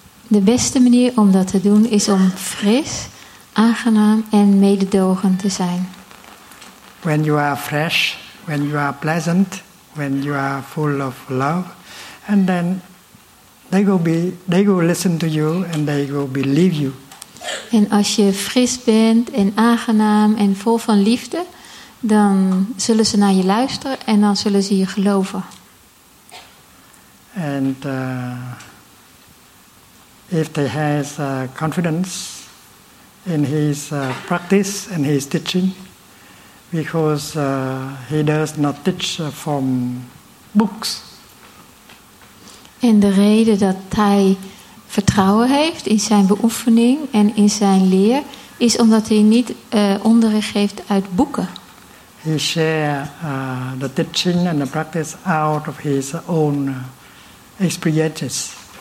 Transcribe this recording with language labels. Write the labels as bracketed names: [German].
[Dutch] De beste manier om dat te doen is om fris, aangenaam en mededogend te zijn. [English] When you are fresh, when you are pleasant, when you are full of love, and then they will listen to you and they will believe you. [Dutch] En als je fris bent en aangenaam en vol van liefde, dan zullen ze naar je luisteren en dan zullen ze je geloven. [English] And if they has confidence in his practice and his teaching, because he does not teach from books. [Dutch] En de reden dat hij vertrouwen heeft in zijn beoefening en in zijn leer is omdat hij niet onderricht geeft uit boeken. [English] He shares the teaching and the practice out of his own experiences.